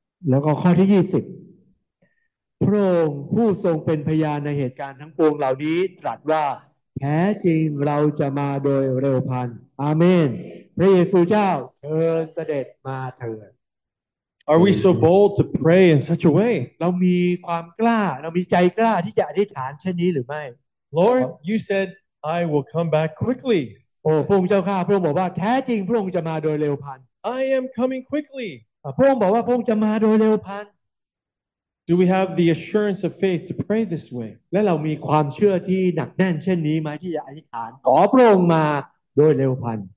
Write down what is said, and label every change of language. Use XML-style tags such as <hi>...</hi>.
<th>แล้วก็ข้อที่20พระองค์ผู้ทรงเป็นพยานในเหตุการณ์ทั้งปวงเหล่านี้ตรัสว่าแท้จริงเราจะมาโดยเร็วพันอาเมนพระเยซูเจ้าเชิญเสด็จมาเถิด</th> <en>Are we so bold to pray in such a way?</en> <th>เรามีความกล้าเรามีใจกล้าที่จะอธิษฐานเช่นนี้หรือไม่</th> <en>Lord, you said I will come back quickly.</en> <th>โอ้พระองค์เจ้าข้าพระองค์บอกว่าแท้จริงพระองค์จะมาโดยเร็วพัน</th> <en>I am coming quickly.</en> <th>พระองค์บอกว่าพระองค์จะมาโดยเร็วพัน</th> <en>Do we have the assurance of faith to pray this way?</en> <th>และเรามีความเชื่อที่หนักแน่นเช่นนี้ไหมที่จะอธิษฐานขอพระองค์มาโดยเร็วพัน</th>